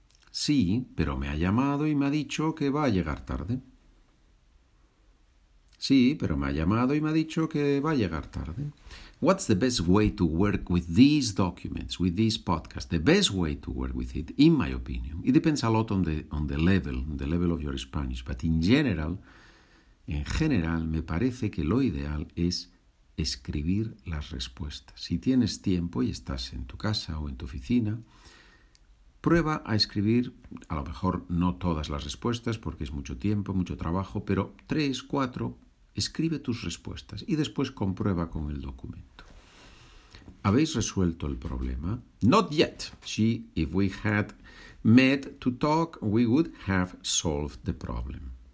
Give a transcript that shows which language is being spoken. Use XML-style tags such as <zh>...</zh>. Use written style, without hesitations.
<es>Sí, pero me ha llamado y me ha dicho que va a llegar tarde. Sí, pero me ha llamado y me ha dicho que va a llegar tarde.</es> <en>What's the best way to work with these documents, with this podcast? The best way to work with it, in my opinion, it depends a lot on the level of your Spanish, but</en> <es>en general, me parece que lo ideal es escribir las respuestas. Si tienes tiempo y estás en tu casa o en tu oficina, prueba a escribir, a lo mejor no todas las respuestas, porque es mucho tiempo, mucho trabajo, pero 3, 4, escribe tus respuestas y después comprueba con el documento. ¿Habéis resuelto el problema?</es> <en>Not yet. She, if we had met to talk, we would have solved the problem.</en>